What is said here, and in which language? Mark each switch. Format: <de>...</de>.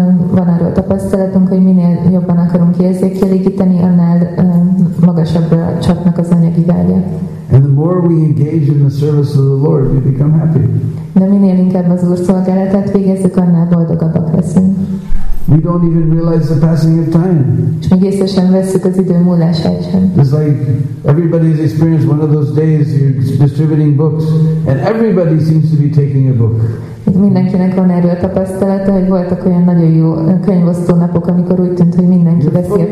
<hu>Van arról tapasztalatunk, hogy minél jobban akarunk érzékelégíteni, annál magasabbra csapnak az anyagi vágyak.</hu> <en>And the more we engage in the service of the Lord, we become happy.</en> <hu>De minél inkább az Úr szolgálatát végezzük, annál boldogabbak leszünk.</hu> <en>We don't even realize the passing of time. It's like everybody's experienced one of those days you're distributing books and everybody seems to be taking a book.</en> <hu>Mindenkinek van erről tapasztalata, hogy voltak olyan nagyon jó könyvosztó napok, amikor úgy tűnt, hogy mindenki veszi a</hu>